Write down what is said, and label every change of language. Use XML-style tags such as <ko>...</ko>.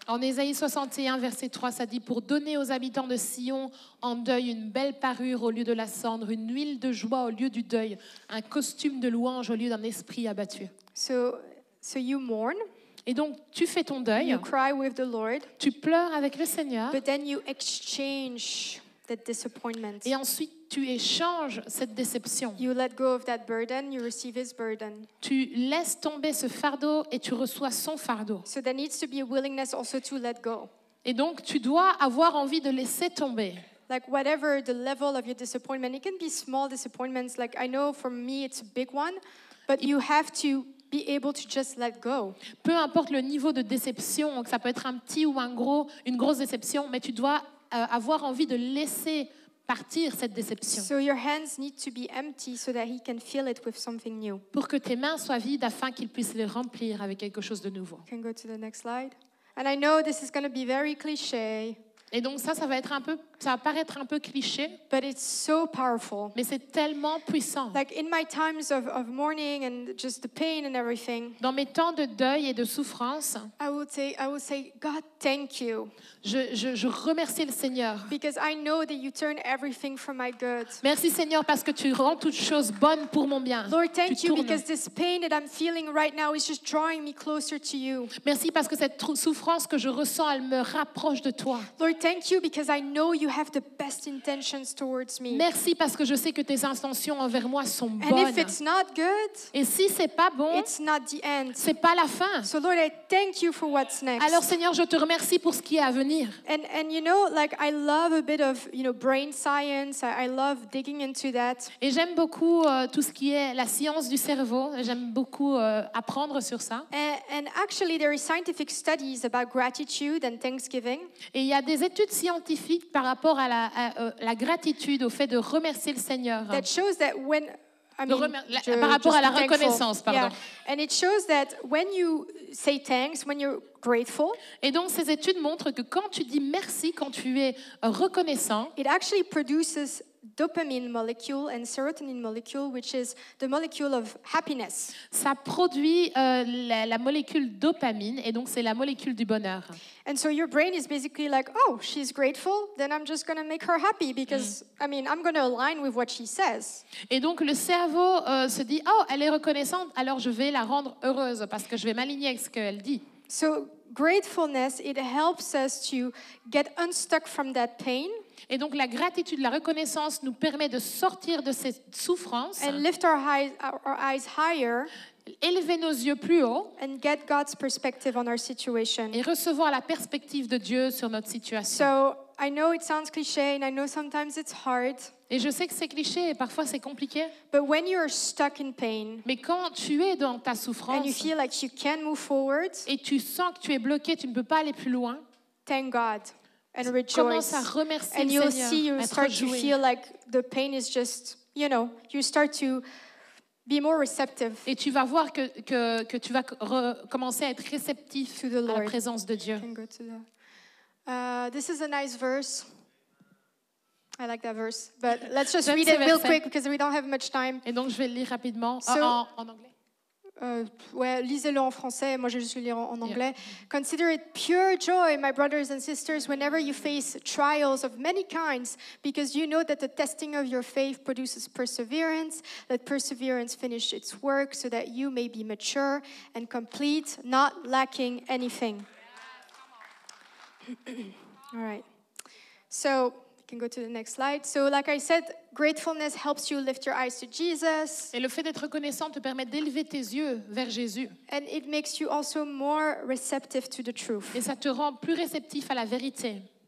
<fr>En Ésaïe 61, verset 3, ça dit, pour donner aux habitants de Sion en deuil une belle parure au lieu de la cendre, une huile de joie au lieu du deuil, un costume de louange au lieu d'un esprit abattu.</fr> <en>So you mourn.</en> <fr>Et donc, tu fais ton deuil.</fr> <en>You cry with the Lord,</en> <fr>tu pleures avec le Seigneur.</fr> <en>But then you exchange that disappointment.</en> <fr>Et ensuite, tu échanges cette déception.</fr> <en>You let go of that burden, you receive his burden.</en> <fr>Tu laisses tomber ce fardeau et tu reçois son fardeau.</fr> <en>So there needs to be a willingness also to let go.</en> <fr>Et donc, tu dois avoir envie de laisser tomber.</fr> <en>Like whatever the level of your disappointment, it can be small disappointments. Like I know for me, it's a big one. But you have to be able to just let go.</en> <fr>Peu importe le niveau de déception, que ça peut être un petit ou un gros, une grosse déception, mais tu dois avoir envie de laisser partir cette déception.</fr> <en>So your hands need to be empty so that he can fill it with something new.</en> <fr>Pour que tes mains soient vides afin qu'il puisse les remplir avec quelque chose de nouveau.</fr> <en>Can go to the next slide. And I know this is going to be very cliché.</en> <fr>Et donc ça, ça va paraître un peu cliché.</fr> <en>But it's so powerful.</en> <fr>Mais c'est tellement puissant.</fr> <en>Like in my times of mourning and just the pain and everything.</en> <fr>Dans mes temps de deuil et de souffrance.</fr> <en>I would say, God, thank you.</en> <fr>Je remercie le Seigneur.</fr> <en>Because I know that you turn everything for my good.</en> <fr>Merci Seigneur parce que tu rends toutes choses bonnes pour mon bien.</fr> <en>Lord, thank you because this pain that I'm feeling right now is just drawing me closer to you.</en> <fr>Merci parce que cette souffrance que je ressens, elle me rapproche de toi.</fr> <en>Lord, thank you because I know you have the best intentions towards me.</en> <fr>Merci parce que je sais que tes intentions envers moi sont bonnes.</fr> <en>And if it's not good,</en> <fr>et si c'est pas bon,</fr> <en>it's not the end.</en> <fr>C'est pas la fin.</fr> <en>So Lord, I thank you for what's next.</en> <fr>Alors Seigneur, je te remercie pour ce qui est à venir.</fr> <en>And you know, like I love a bit of, you know, brain science. I love digging into that.</en> <fr>Et j'aime beaucoup tout ce qui est la science du cerveau. J'aime beaucoup apprendre sur ça.</fr> <en>And actually, there are scientific studies about gratitude and thanksgiving.</en> <fr>Et il y a des études scientifiques par rapport à la gratitude, au fait de remercier le Seigneur.</fr> <en>That shows that when,</en> <fr>par rapport à la reconnaissance, pardon.</fr> <en>Yeah. And it shows that when you say thanks, when you're grateful.</en> <fr>Et donc ces études montrent que quand tu dis merci, quand tu es reconnaissant,</fr> <en>it actually produces dopamine molecule and serotonin molecule, which is the molecule of happiness.</en> <fr>Ça produit la molécule dopamine, et donc c'est la molécule du bonheur.</fr> <en>And so your brain is basically like, oh, she's grateful, then I'm just going to make her happy because, I mean, I'm going to align with what she says.</en> <fr>Et donc le cerveau se dit, oh, elle est reconnaissante, alors je vais la rendre heureuse parce que je vais m'aligner avec ce qu'elle dit.</fr> <en>So gratefulness, it helps us to get unstuck from that pain.</en> <fr>Et donc la gratitude, la reconnaissance nous permet de sortir de cette souffrance.</fr> <en>And lift our eyes higher.</en> <fr>Élever nos yeux plus haut.</fr> <en>And get God's perspective on our situation.</en> <fr>Et recevoir la perspective de Dieu sur notre situation.</fr> <en>So I know it sounds cliché and I know sometimes it's hard.</en> <fr>Et je sais que c'est cliché et parfois c'est compliqué.</fr> <en>But when you're stuck in pain,</en> <fr>mais quand tu es dans ta souffrance.</fr> <en>And you feel like you can't move forward,</en> <fr>et tu sens que tu es bloqué, tu ne peux pas aller plus loin.</fr> <en>Thank God. And rejoice.</en> <fr>Commence à remercier</fr> <en>and</en> <fr>le</fr> <en>you'll</en> <fr>Seigneur,</fr> <en>see, you start</en> <fr>joué.</fr> <en>To feel like the pain is just, you know, you start to be more receptive.</en> <fr>Et tu vas voir que tu vas commencer à être réceptif</fr> <en>to the Lord.</en> <fr>À la présence de Dieu.</fr> <en>Can go to that. This is a nice verse. I like that verse, but let's just read it real quick because we don't have much time.</en> <fr>Et donc je vais le lire rapidement so, en anglais. Ouais, lisez-le en français, moi je vais juste le lire en anglais.</fr> <en>Yeah. Consider it pure joy, my brothers and sisters, whenever you face trials of many kinds, because you know that the testing of your faith produces perseverance. Let perseverance finish its work so that you may be mature and complete, not lacking anything. Yeah, all right. So, you can go to the next slide. So, like I said, gratefulness helps you lift your eyes to Jesus.</en> <fr>Et le fait d'être reconnaissant te permet d'élever tes yeux vers Jésus.</fr> <en>And it makes you also more receptive to the truth.</en> <fr>Et ça te rend plus réceptif à la vérité.</fr>